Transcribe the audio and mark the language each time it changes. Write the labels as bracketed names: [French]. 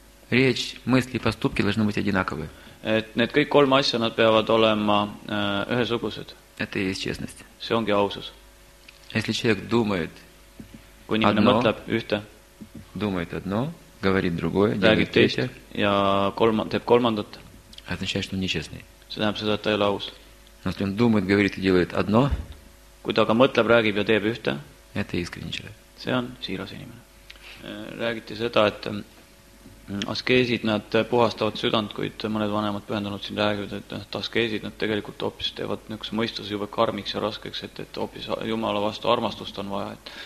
[Russian] Речь, мысли, поступки должны быть одинаковы. [Estonian] Et need kõik kolm asja, nad peavad olema ühesugused. [Russian] Это и есть честность. [Estonian] See ongi ausus. [Russian] Если человек думает [Estonian] Kui inimene [Russian] одно, [Estonian] mõtleb ühte, [Russian] думает одно, говорит другое, делает третье, [Estonian] ja teeb kolmandat. [Russian] Означает, что он нечестный. [Estonian] See tähendab seda, et ta ei ole aus. [Russian] Но если он думает, говорит и делает одно, [Estonian] Kui ta aga mõtleb, räägib ja teeb ühte, [Russian] это искренний человек. [Estonian] See on siiras inimene. Räägiti seda, et askeesid nad puhastavad südant, kuid mõned vanemad pühendunud siin räägivad, et askeesid nad tegelikult hoopis teevad nüüks mõistuse juba karmiks ja raskeks, et hoopis Jumala vastu armastust on vaja.